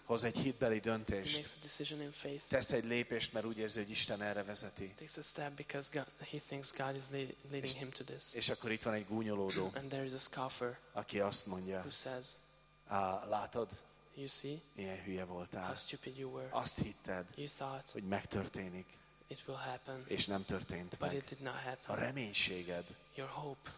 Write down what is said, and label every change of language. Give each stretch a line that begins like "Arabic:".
Hungarian: hoz egy hitbeli döntést,
English: makes a decision in faith,
Hungarian: tesz egy lépést, mert úgy érzi, hogy Isten erre vezeti.
English: Takes a step because God, he thinks God is leading him to this.
Hungarian: És akkor itt van egy gúnyolódó,
English: and there is a scoffer,
Hungarian: aki azt mondja,
English: who says,
Hungarian: látod,
English: you see,
Hungarian: milyen hülye voltál,
English: how stupid you were,
Hungarian: azt hitted,
English: you thought,
Hungarian: hogy megtörténik,
English: it will happen,
Hungarian: és nem történt
English: but
Hungarian: meg.
English: It did not happen.
Hungarian: A reménységed,
English: your hope,